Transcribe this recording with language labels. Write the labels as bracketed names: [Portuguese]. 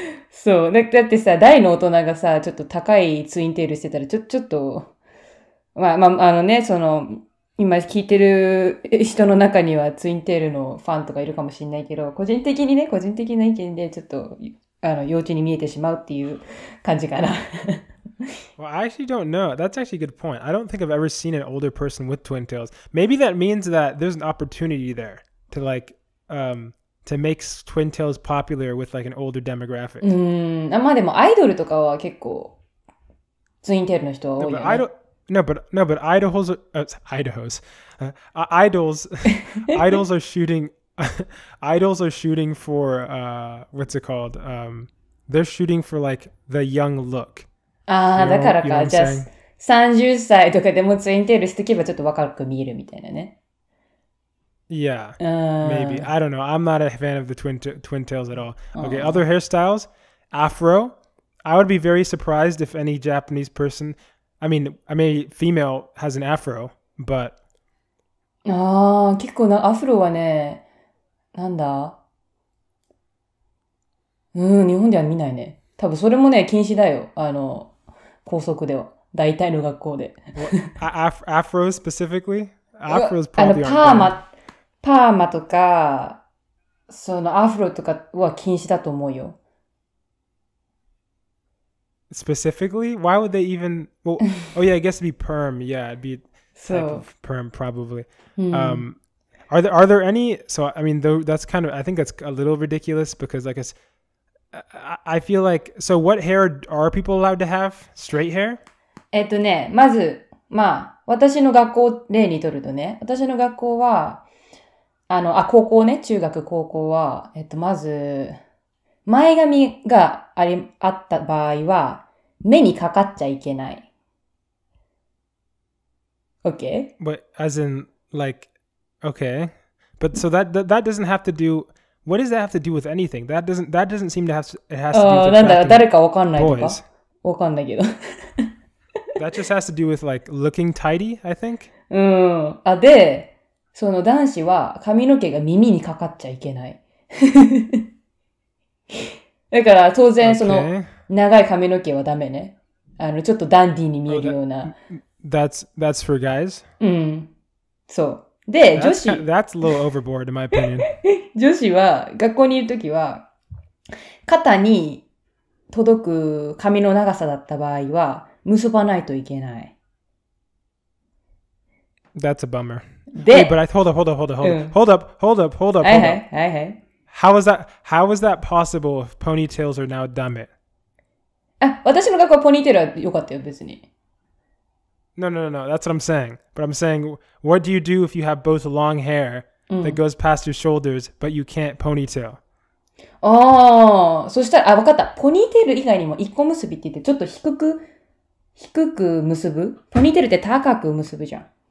[Japanese] そう、だってさ、大の大人がさ、ちょっと高いツインテールしてたらちょっとまあまあね、その今聞いてる人の中にはツインテールのファンとかいるかもしれないけど、個人的にね、個人的な意見でちょっと幼稚に見えてしまうっていう感じかな。 [English] Well, I actually don't know. That's actually a good point. I don't think I've ever seen an older person with twin tails. Maybe that means that there's an opportunity there to like to make twin tails popular with like an older demographic. [Japanese] まあでもアイドルとかは結構ツインテールの人は多いよね。 [English] No, but idols are, idols. idols are shooting. idols are shooting for what's it called? They're shooting for like the young look. [Japanese] Ah, だからか。じゃあ30歳とかでもツインテールしてけばちょっと若く見えるみたいなね。 [English] Yeah, maybe. I don't know. I'm not a fan of the twin tails at all. Okay, other hairstyles, afro. I would be very surprised if any Japanese person, I mean, female has an afro, but. [Japanese] ああ、結構なアフロはね、なんだ。日本では見ないね。多分それもね禁止だよ。あの校則では、大体の学校で。 [English] Afro specifically? Afro is probably [Japanese] パーマ。パーマとか、そのアフロとかは禁止だと思うよ。 [English] Specifically? Why would they even... Well, oh yeah, I guess it'd be perm. Yeah, it'd be a type of perm, probably. Mm. Are there any... So, I mean, though, that's kind of... I think that's a little ridiculous because, like, I feel like... So, what hair are people allowed to have? Straight hair? [Japanese] まず、まあ、私の学校例にとるとね、私の学校は、高校ね、中学高校は、まず、前髪が あった場合は、目にかかっちゃいけない。 [English] Okay? But as in, like, okay. But so that doesn't have to do, what does that have to do with anything? That doesn't seem to have, it has to do with attracting boys. [Japanese] 誰かわかんないとか。わかんないけど。 [English] That just has to do with, like, looking tidy, I think? [Japanese] うん。あ、で、その男子は髪の毛が耳にかかっちゃいけない。だから当然その長い髪の毛はダメね。あのちょっとダンディーに見えるような。 [English] That's for guys? [Japanese] うん。そう。で、女子。 [English] That's a little overboard in my opinion. [Japanese] 女子は学校にいるときは肩に届く髪の長さだった場合は結ばないといけない。 [English] That's a bummer. Wait, but I hold up. Hey. How was that possible if ponytails are now dame? [Japanese] あ、私の学校はポニーテールは良かったよ、別に。 [English] No. That's what I'm saying. But I'm saying, what do you do if you have both long hair that goes past your shoulders, but you can't ponytail? [Japanese] ああ、そしたら、あ、分かった。ポニーテール以外にも一個結びって言って、ちょっと低く結ぶ。ポニーテールって高く結ぶじゃん。